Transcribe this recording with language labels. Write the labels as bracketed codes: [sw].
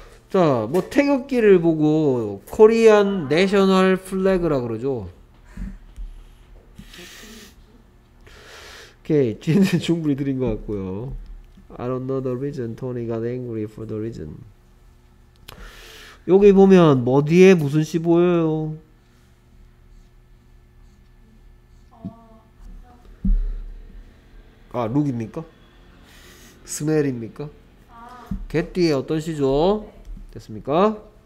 [ko] 자, 뭐 태극기를 보고 코리안 내셔널 플래그라 그러죠. 오케이, 쟤는 충분히 드린 것 같고요. [en] I don't know the reason Tony got angry for the reason. [ko] 여기 보면 뭐 뒤에 무슨 시 보여요? 아, 룩입니까? 스멜입니까? 개 뒤에 어떤 시죠? 됐습니까?